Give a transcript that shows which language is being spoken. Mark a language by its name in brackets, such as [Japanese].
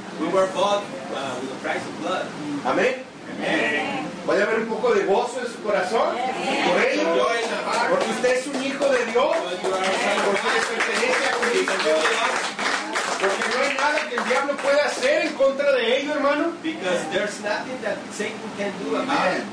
[English] We were bought with the price of blood. [Spanish] Amén. [English] Amen. [Spanish] ¿Puede haber un poco de gozo en su corazón? [English] Yes. [Spanish] Por ello, porque usted es un hijo de Dios, porque le pertenece a Cristo. Porque no hay nada que el diablo pueda hacer en contra de ello, hermano. [English] Because there's nothing that Satan can do about it.